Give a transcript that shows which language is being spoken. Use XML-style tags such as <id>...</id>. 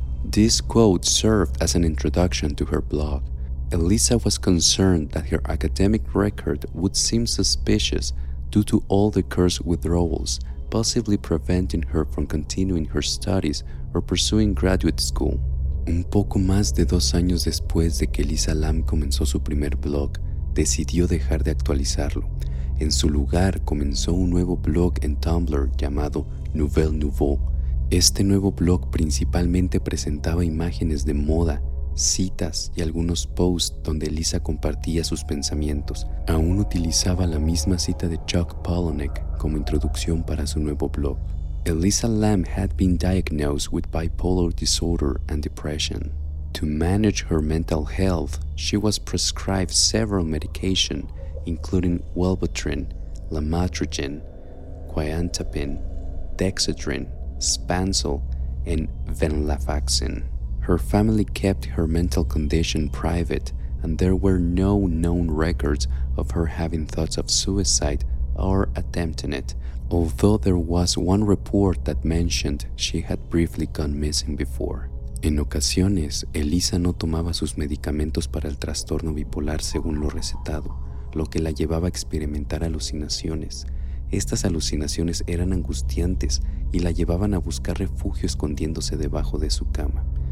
<en>This quote served as an introduction to her blog. Elisa was concerned that her academic record would seem suspicious due to all the course withdrawals, possibly preventing her from continuing her studies or pursuing graduate school.</en> <es>Un poco más de 2 años después de que Elisa Lam comenzó su primer blog, decidió dejar de actualizarlo. En su lugar, comenzó un nuevo blog en Tumblr llamado Nouvelle Nouveau. Este nuevo blog principalmente presentaba imágenes de moda, citas y algunos posts donde Elisa compartía sus pensamientos. Aún utilizaba la misma cita de Chuck Palahniuk como introducción para su nuevo blog.</es> <en>Elisa Lam had been diagnosed with bipolar disorder and depression. To manage her mental health, she was prescribed several medications, including Wellbutrin, Lamotrigine, Quetiapine, Dexedrine, Spansel, and Venlafaxine. Her family kept her mental condition private, and there were no known records of her having thoughts of suicide or attempting it, although there was one report that mentioned she had briefly gone missing before.</en> <es>En ocasiones, Elisa no tomaba sus medicamentos para el trastorno bipolar según lo recetado, lo que la llevaba a experimentar alucinaciones. Estas alucinaciones eran angustiantes y la llevaban a buscar refugio escondiéndose debajo de su cama.</es>